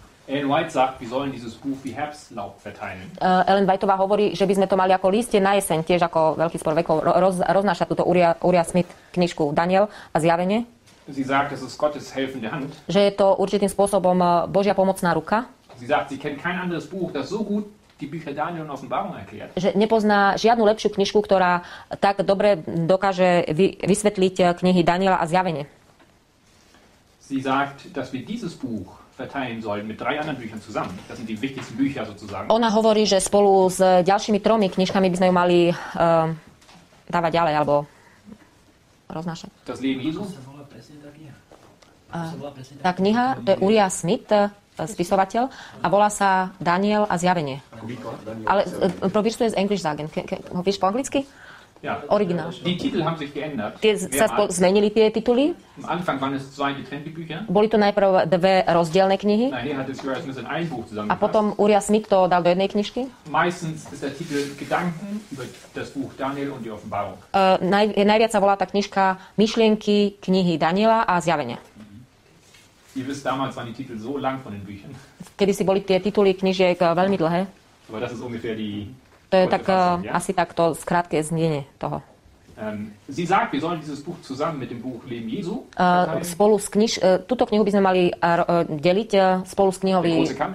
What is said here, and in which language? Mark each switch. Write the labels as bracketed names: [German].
[German] Ellen White sagt, wir sollen dieses Buch wie Herbstlaub verteilen. [Slovak] Ellen Whiteová hovorí, že by sme to mali ako lístie na jeseň, tiež ako veľký spor vekov, roznášať túto Uriáš Schmidt knižku Daniel a zjavenie. [German] Sie sagt, es ist Gottes helfende Hand. [Slovak] Že je to určitým spôsobom Božia pomocná ruka. [German] Sie sagt, sie kennt kein anderes Buch, das so gut die Bücher Daniel und Offenbarung erklärt. [Slovak] Že nepozná žiadnu lepšiu knižku, ktorá tak dobre dokáže vysvetliť knihy Daniela a zjavenie. [German] Sie sagt, dass wir dieses Buch verteilen sollen mit drei anderen Büchern zusammen. Das sind die wichtigsten Bücher sozusagen. [Slovak] Ona hovorí, že spolu s ďalšími tromi knižkami by sme ju mali dávať ďalej alebo roznášať. [German] Das Leben Jesu. [Slovak] Tá kniha, to je Uriah Smith, spisovateľ, a volá sa Daniel a zjavenie. Ale probíš to z English Zagen. Ho víš po anglicky? [German] Ja. [Slovak] Originál. [German] Die Titel haben sich geändert. [Slovak] Tie sa zmenili tie tituly. [German] Am Anfang waren es zwei getrennte Bücher. [Slovak] Boli to najprv dve rozdielne knihy. [German] Nein, hier hat es Uriah Smith in ein Buch zusammen. [Slovak] A potom Uriah Smith to dal do jednej knižky. [German] Meistens ist der Titel Gedanken über das Buch Daniel und die Offenbarung. [Slovak] Najviac sa volá tá knižka Myšlienky knihy Daniela a zjavenie. [German] Ihr wisst, damals waren die Titel so lang von den Büchern. [Slovak] Kedy si boli tie tituly knižiek veľmi dlhé. [German] Aber das ist ungefähr die... [Slovak] To je tak, asi tak to skrátke znenie toho. [German] Sie sagt, wir sollen dieses Buch zusammen mit dem Buch Leben Jesu. [Slovak] Spolu s túto knihu by sme mali deliť spolu s knihovi...